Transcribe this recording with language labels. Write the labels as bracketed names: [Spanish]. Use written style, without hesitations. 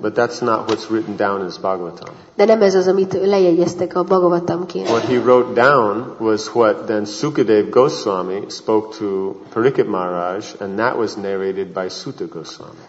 [English] But that's not what's written down as Bhagavatam. [Hungarian] De nem ez az, amit lejegyeztek a Bhagavatamként. [English] What he wrote down was what then Sukadeva Goswami spoke to Parikit Maharaj, and that was narrated by Suta Goswami.